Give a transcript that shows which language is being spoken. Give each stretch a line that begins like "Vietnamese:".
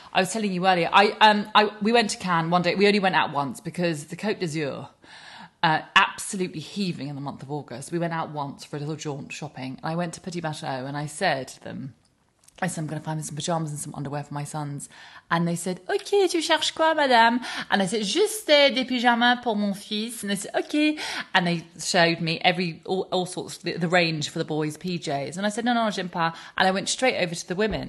English: I was telling you earlier, we went to Cannes one day. We only went out once because the Côte d'Azur, absolutely heaving in the month of August. We went out once for a little jaunt shopping. I went to Petit Bateau and I said to them, I said, I'm going to find some pyjamas and some underwear for my sons. And they said, OK,
French: tu cherches quoi, madame?
English: And I said,
French: juste des pyjamas pour mon fils.
English: And they said, OK. And they showed me all sorts, the range for the boys' PJs. And I said, no,
French: j'aime pas.
English: And I went straight over to the women.